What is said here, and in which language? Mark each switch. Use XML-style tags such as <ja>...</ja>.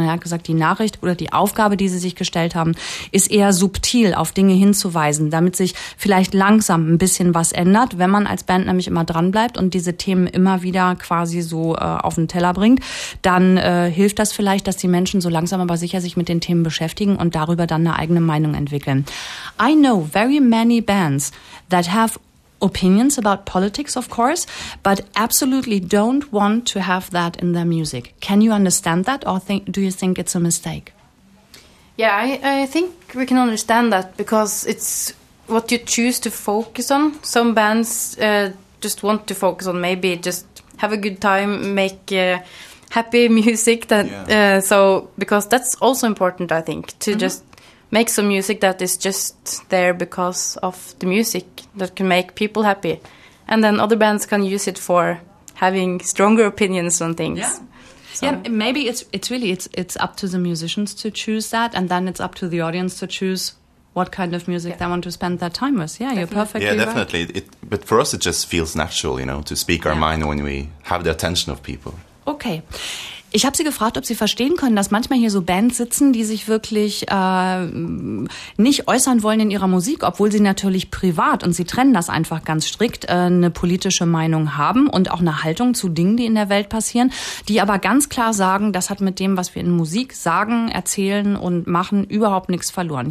<de>Sondern er hat gesagt, die Nachricht oder die Aufgabe, die sie sich gestellt haben, ist eher subtil, auf Dinge hinzuweisen, damit sich vielleicht langsam ein bisschen was ändert, wenn man als Band nämlich immer dranbleibt und diese Themen immer wieder quasi so auf den Teller bringt, dann hilft das vielleicht, dass die Menschen so langsam aber sicher sich mit den Themen beschäftigen und darüber dann eine eigene Meinung entwickeln.</de> <en>I know very many bands that have opinions about politics, of course, but absolutely don't want to have that in their music. Can you understand that or do you think it's a mistake? Yeah, I think we can understand that because it's what you choose to focus on. Some bands just want to focus on maybe just have a good time, make happy music. So because that's also important, I think, to mm-hmm. just make some music that is just there because of the music that can make people happy. And then other bands can use it for having stronger opinions on things. Yeah, so. Maybe it's really up to the musicians to choose that, and then it's up to the audience to choose what kind of music they want to spend that time with. Yeah, definitely. You're perfectly right. Yeah, definitely. Right. But for us, it just feels natural, you know, to speak our mind when we have the attention of people. Okay.</en> <de>Ich habe Sie gefragt, ob Sie verstehen können, dass manchmal hier so Bands sitzen, die sich wirklich nicht äußern wollen in ihrer Musik, obwohl sie natürlich privat, und Sie trennen das einfach ganz strikt, eine politische Meinung haben und auch eine Haltung zu Dingen, die in der Welt passieren, die aber ganz klar sagen, das hat mit dem, was wir in Musik sagen, erzählen und machen, überhaupt nichts verloren.</de>